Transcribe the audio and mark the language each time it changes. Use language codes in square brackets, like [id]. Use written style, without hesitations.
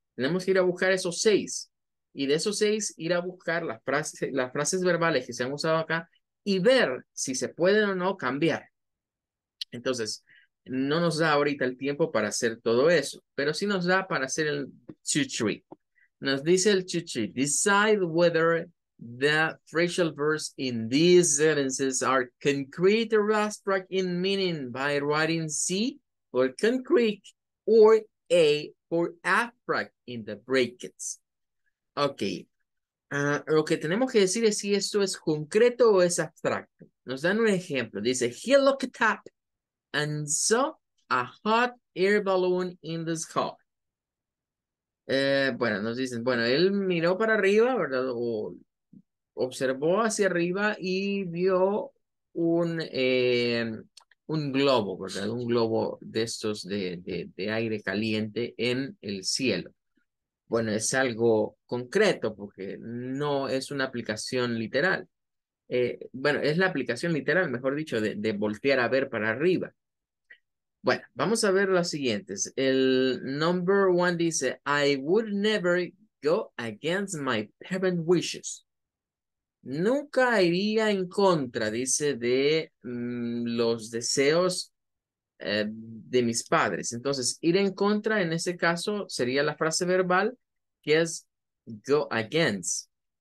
[es] Tenemos que ir a buscar esos seis y de esos seis ir a buscar las frases verbales que se han usado acá y ver si se pueden o no cambiar. Entonces, no nos da ahorita el tiempo para hacer todo eso, pero sí nos da para hacer el 2-3. Nos dice el 2-3, [en] decide whether the phrasal verbs in these sentences are concrete or abstract in meaning by writing C for concrete or A for abstract in the brackets. [es] Ok. Lo que tenemos que decir es si esto es concreto o es abstracto. Nos dan un ejemplo. Dice, [en] he looked up and saw a hot air balloon in the sky. [es] Bueno, nos dicen, bueno, él miró para arriba, ¿verdad? Observó hacia arriba y vio un globo, ¿verdad? Un globo de estos de aire caliente en el cielo. Bueno, es algo concreto porque no es una aplicación literal. Bueno, es la aplicación literal, mejor dicho, de voltear a ver para arriba. Bueno, vamos a ver los siguientes. El number one dice, [en] I would never go against my parents' wishes. [es] Nunca iría en contra, dice, de los deseos de mis padres. Entonces, ir en contra en ese caso sería la frase verbal que es go against.